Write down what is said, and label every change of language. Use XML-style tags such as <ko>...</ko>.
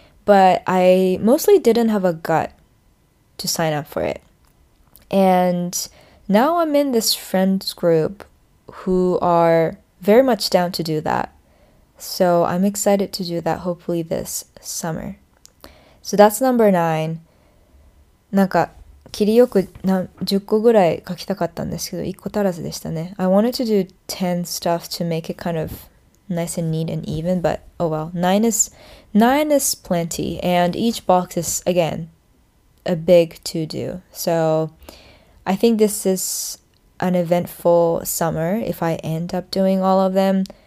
<en>But I mostly didn't have a gut to sign up for it. And now I'm in this friends group who are very much down to do that. So I'm excited to do that, hopefully this summer. So that's number nine.</en> <ja>なんか、切りよく10個ぐらい書きたかったんですけど、1個足らずでしたね。</ja> <en>I wanted to do 10 stuff to make it kind of nice and neat and even, but oh well. Nine is plenty, and each box is, again, a big to-do. So I think this is an eventful summer if I end up doing all of them.</en>